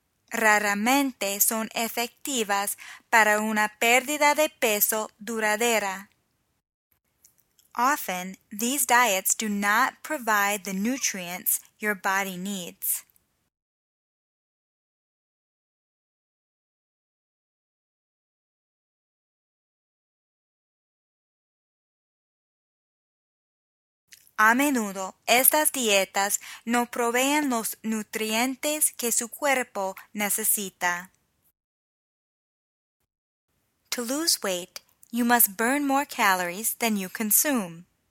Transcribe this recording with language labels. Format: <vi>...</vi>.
<es>Raramente son efectivas para una pérdida de peso duradera.</es> <en>Often, these diets do not provide the nutrients your body needs.</en> <es>A menudo, estas dietas no proveen los nutrientes que su cuerpo necesita.</es> <en>To lose weight, you must burn more calories than you consume.</en>